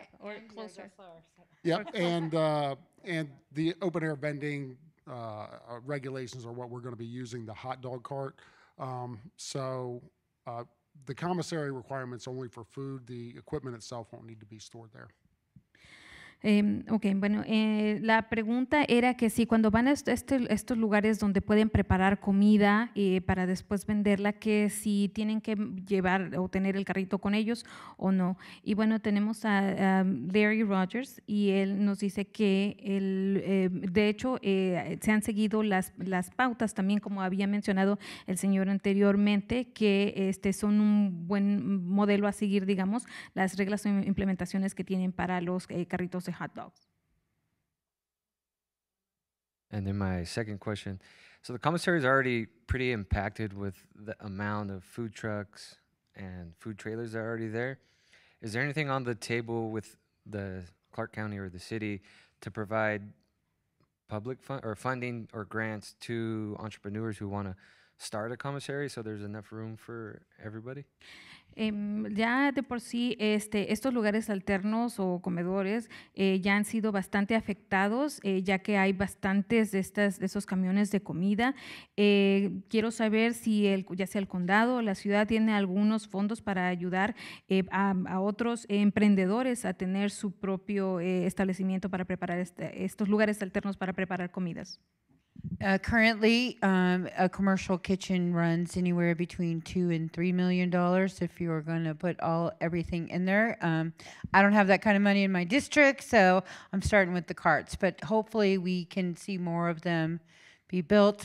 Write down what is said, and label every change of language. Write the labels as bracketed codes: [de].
[en] Or closer. Yep. And the open air vending. Regulations are what we're going to be using, the hot dog cart. So the commissary requirements only for food. The equipment itself won't need to be stored there. [es] La pregunta era que si cuando van a estos lugares donde pueden preparar comida para después venderla, que si tienen que llevar o tener el carrito con ellos o no. Y bueno, tenemos a Larry Rogers y él nos dice que se han seguido las pautas también, como había mencionado el señor anteriormente, que son un buen modelo a seguir, digamos, las reglas o implementaciones que tienen para los carritos de hot dogs. [en] And then my second question. So the commissary is already pretty impacted with the amount of food trucks and food trailers that are already there. Is there anything on the table with the Clark County or the city to provide public funding or grants to entrepreneurs who want to start a commissary so there's enough room for everybody? [es] Ya de por sí estos lugares alternos o comedores ya han sido bastante afectados ya que hay bastantes de esos camiones de comida. Quiero saber si ya sea el condado o la ciudad tiene algunos fondos para ayudar a otros emprendedores a tener su propio establecimiento para preparar estos lugares alternos para preparar comidas. [en] Currently, a commercial kitchen runs anywhere between $2 and $3 million if you are going to put everything in there. I don't have that kind of money in my district, so I'm starting with the carts. But hopefully we can see more of them be built.